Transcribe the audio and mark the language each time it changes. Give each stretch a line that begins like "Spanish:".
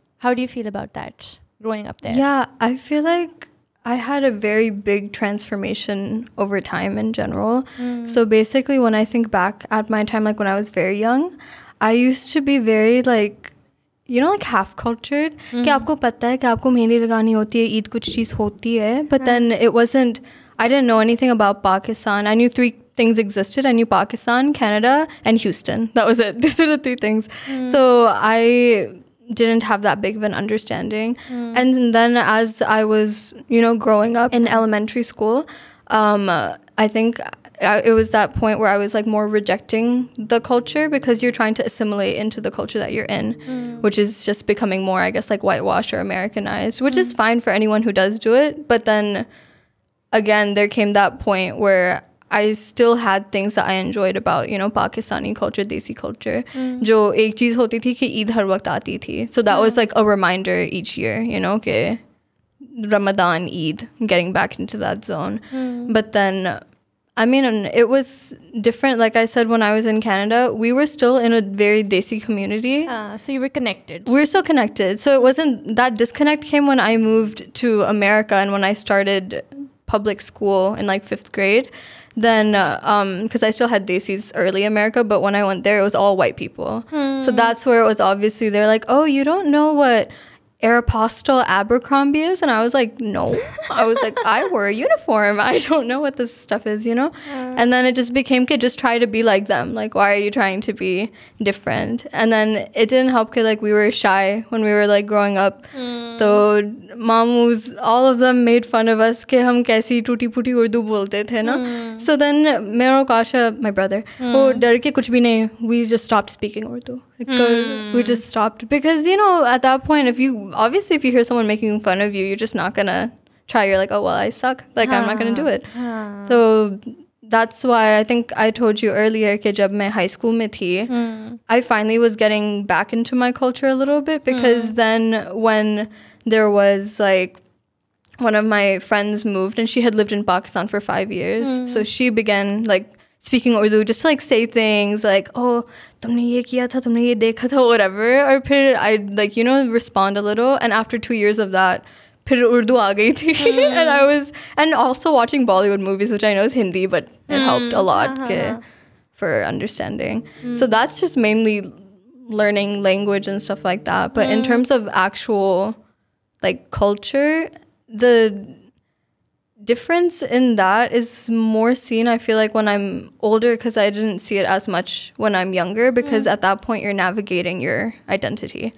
English: How do you feel about that growing up there? Yeah, I feel like I had a very big transformation over time in general. So basically when I think back at my time, like when I was very young, I used to be very like, you know, like half cultured.
Urdu: کی آپکو پتا ہے کی آپکو مہندی لگانی ہوتی ہے، عید کچھ چیز ہوتی ہے۔
English: But then it wasn't, I didn't know anything about Pakistan. I knew three things existed. I knew Pakistan, Canada, and Houston. That was it. These are the three things. So I didn't have that big of an understanding. And then as I was, you know, growing up in elementary school, I think it was that point where I was like more rejecting the culture because you're trying to assimilate into the culture that you're in, which is just becoming more, I guess, like whitewashed or Americanized, which is fine for anyone who does do it. But then again, there came that point where I still had things that I enjoyed about, you know, Pakistani culture, Desi culture.
Urdu: جو ایک چیز ہوتی تھی کی عید ہر وقت آتی تھی۔
English: So that was like a reminder each year, you know, ke Ramadan, Eid, getting back into that zone. But then, I mean, it was different. Like I said, when I was in Canada, we were still in a very Desi community. So you were connected. We were still connected. So it wasn't that disconnect came when I moved to America and when I started public school in like fifth grade. Then, because I still had Desis early America, but when I went there, it was all white people. So that's where it was obviously, they're like, oh, you don't know what Aeropostale Abercrombie is? And I was like, no. I was like, I wore a uniform. I don't know what this stuff is, you know? And then it just became, kid, just try to be like them. Like, why are you trying to be different? And then it didn't help, kid, like, we were shy when we were, like, growing up.
Urdu: So, ماموں,
English: all of them made fun of us,
Urdu: کے ہم کیسی ٹوٹی پھوٹی اردو بولتے تھے، نا?
English: So then, میرو کشا, my brother, oh,
Urdu: ڈر کے کچھ بھی نہیں,
English: we just stopped speaking Urdu. We just stopped. Because, you know, at that point, if you, obviously, if you hear someone making fun of you, you're just not gonna try. You're like, oh, well, I suck. Like, I'm not gonna do it. So that's why I think I told you earlier that when I was in high school, I finally was getting back into my culture a little bit. Because then when there was like one of my friends moved and she had lived in Pakistan for 5 years. So she began like speaking Urdu just to like say things like, oh,
Urdu: تمنے یہ کیا تھا، تمنے یہ دیکھا تھا,
English: whatever. Or phir I'd like, you know, respond a little. And after 2 years of that,
Urdu: پھر اردو آ گئی تھی.
English: And I was, and also watching Bollywood movies, which I know is Hindi, but it helped a lot for understanding. So that's just mainly learning language and stuff like that. But in terms of actual like culture, the difference in that is more seen, I feel like, when I'm older, because I didn't see it as much when I'm younger, because at that point you're navigating your identity.